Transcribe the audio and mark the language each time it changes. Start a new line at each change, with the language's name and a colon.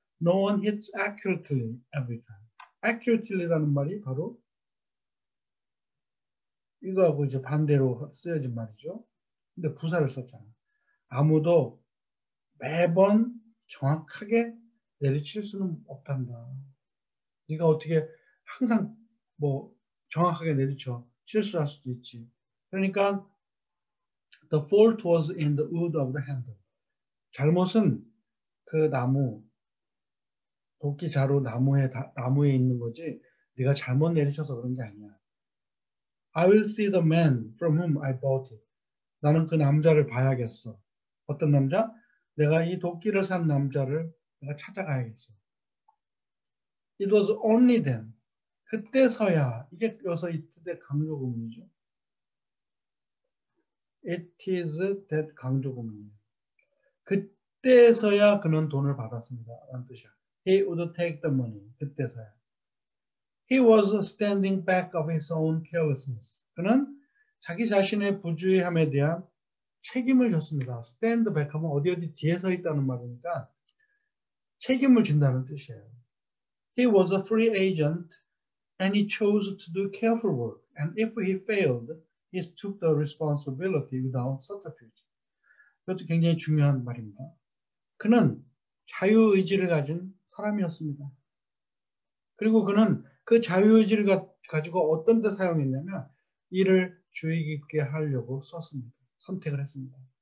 English: No one hits accurately every time.
Korean: Accurately라는 말이 바로 이거하고 이제 반대로 쓰여진 말이죠. 근데 부사를 썼잖아. 아무도 매번 정확하게 내리칠 수는 없단다. 네가 어떻게 항상 뭐 정확하게 내리쳐 실수할 수도 있지.
English: 그러니까 the fault was in the wood of the handle.
Korean: 잘못은 그 나무 도끼 자루 나무에 있는 거지. 네가 잘못 내리쳐서 그런 게 아니야.
English: I will see the man from whom I bought it.
Korean: 나는 그 남자를 봐야겠어. 어떤 남자? 내가 이 도끼를 산 남자를 내가 찾아가야겠어.
English: It was only then. 그때서야.
Korean: 이게 여기서 이때 강조구문이죠. It is that 강조구문이에요. 그때서야 그는 돈을 받았습니다. 라는 뜻이야.
English: He would take the money. 그때서야. He was standing back of his own carelessness.
Korean: 그는 자기 자신의 부주의함에 대한 책임을 졌습니다. Stand back 하면 어디 뒤에 서 있다는 말이니까 책임을 진다는 뜻이에요.
English: He was a free agent and he chose to do careful work. And if he failed, he took the responsibility without subterfuge.
Korean: 이것도 굉장히 중요한 말입니다. 그는 자유의지를 가진 사람이었습니다. 그리고 그는 그 자유의지를 가지고 어떤 데 사용했냐면 일을 주의 깊게 하려고 썼습니다. 선택을 했습니다.